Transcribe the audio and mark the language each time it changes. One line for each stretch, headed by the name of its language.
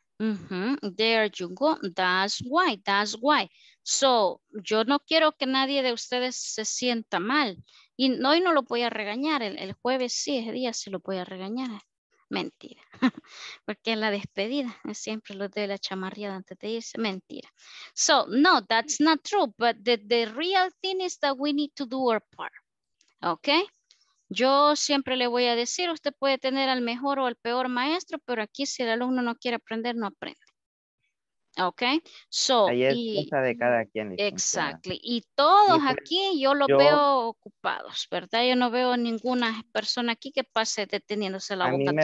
English: Mm-hmm. There you go. That's why.
Spanish: So, yo no quiero que nadie de ustedes se sienta mal. Y hoy no lo voy a regañar. El jueves sí, ese día sí lo voy a regañar. Mentira. Porque en la despedida siempre lo doy la chamarrada antes de irse.
English: Mentira. So, no, that's not true. But the real thing is that we need to do our part. Okay?
Spanish: Yo siempre le voy a decir, usted puede tener al mejor o al peor maestro, pero aquí si el alumno no quiere aprender, no aprende. ¿Ok? So, ahí es cosa de cada quien.
English: Exactly.
Spanish: Y todos y aquí yo veo ocupados, ¿verdad? Yo no veo ninguna persona aquí que pase deteniéndose la boca todo el día.